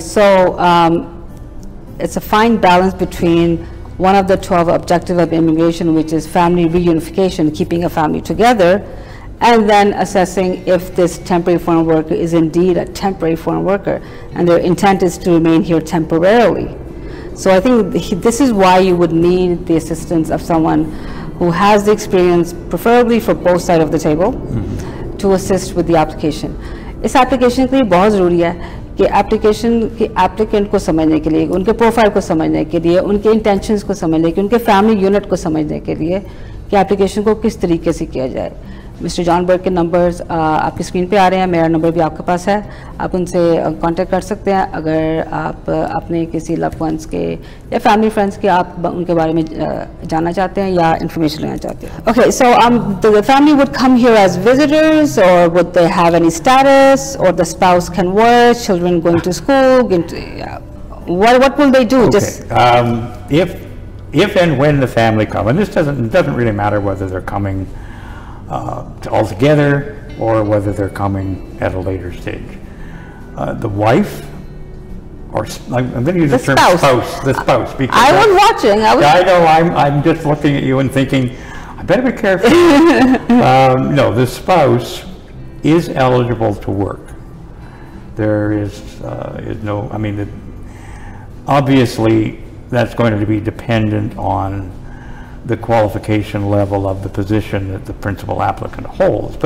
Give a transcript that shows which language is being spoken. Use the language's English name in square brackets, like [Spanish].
[English] So it's a fine balance between one of the 12 objectives of immigration, which is family reunification, keeping a family together, and then assessing if this temporary foreign worker is indeed a temporary foreign worker and their intent is to remain here temporarily. So I think this is why you would need the assistance of someone who has the experience, preferably for both sides of the table, to assist with the application. This application is very important. [Hindi] कि application के applicant को समझने के लिए, उनके profile को समझने के लिए, उनके इंटेंशंस को समझने के लिए, उनके फैमिली यूनिट को समझने के लिए कि एप्लीकेशन को किस तरीके से किया जाए. मिस्टर जॉनबर्ग के नंबर्स आपकी स्क्रीन पे आ रहे हैं, मेरा नंबर भी आपके पास है, आप उनसे कांटेक्ट कर सकते हैं. अगर आप अपने किसी लव्ड वंस के या फैमिली फ्रेंड्स के आप उनके बारे में जानना चाहते हैं या इंफॉर्मेशन लेना चाहते हैं. [English] Okay, so the family would come here as visitors or would they have any status or the spouse can work, children going to school, what will they do? If and when the family come, and this doesn't really matter whether they are coming altogether or whether they're coming at a later stage. The wife, or I'm going to use the term spouse, the spouse. Because I was watching. I'm just looking at you and thinking, I better be careful. No, the spouse is eligible to work. There is no, I mean, obviously that's going to be dependent on the qualification level of the position that the principal applicant holds.